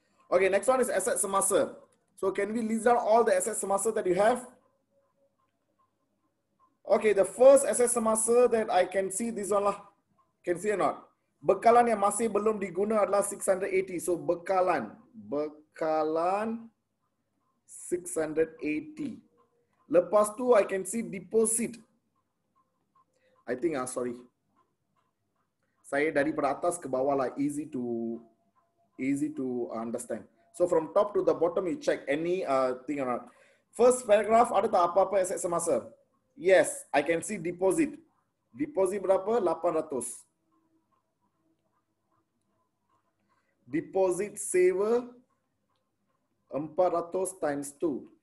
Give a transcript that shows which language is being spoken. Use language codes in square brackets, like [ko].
[en] Okay, next one is asset semasa. So can we list down all the asset semasa that you have? Okay, the first asset semasa that I can see, this one lah. Can see or not? [ms] Bekalan yang masih belum diguna adalah 680. So bekalan. Bekalan 680. [en] Lepas tu, I can see deposit. I think, sorry. [ms] Saya dari atas ke bawah lah, easy to understand. [en] So from top to the bottom, you check any thing or not. First paragraph, ada tak apa-apa asset semasa? Yes, I can see deposit. Deposit berapa? 800. Deposit saver, 400 times 2.